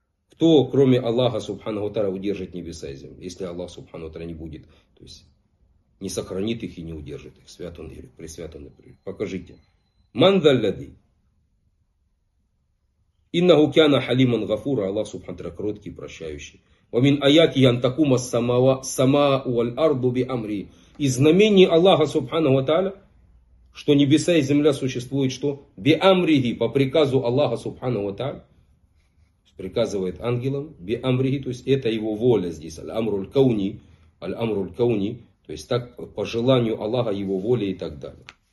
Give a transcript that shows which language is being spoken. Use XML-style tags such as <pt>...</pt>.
<ru>Кто, кроме Аллаха Субхану ва Тааля, удержит небеса и землю? Если Аллах Субхану ва Тааля не будет, то есть не сохранит их и не удержит их. Свят он или пресвят он, например. Покажите.</ru> <ar>Ман залляди. Иннаху кяна халиман гафура.</ar> <ru>Аллах Субхану ва Тааля кроткий, прощающий.</ru> <ar>ومن آياته أن تقوم السماء والأرض بأمره.</ar> <ru>Из знамений Аллаха Субхану ва Тааля, что небеса и земля существуют, что биамрихи, по приказу Аллаха Субхану ва Тааля, приказывает ангелам биамрихи, то есть это его воля здесь, аль-амруль кауни, аль-амруль кауни, то есть так по желанию Аллаха, его воли и так далее.</ru>